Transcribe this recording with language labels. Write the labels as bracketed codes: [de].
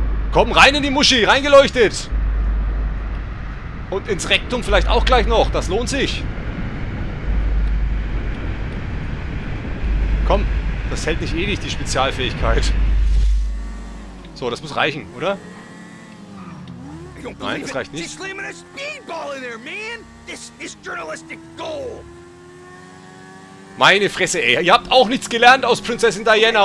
[de] Komm, rein in die Muschi, reingeleuchtet. Und ins Rektum vielleicht auch gleich noch, das lohnt sich. Komm, das hält nicht ewig, die Spezialfähigkeit. So, das muss reichen, oder? Nein, das reicht nicht. [en] She's slamming a speedball in there, man. This is journalistic gold. [de] Meine Fresse, ey. Ihr habt auch nichts gelernt aus Prinzessin Diana,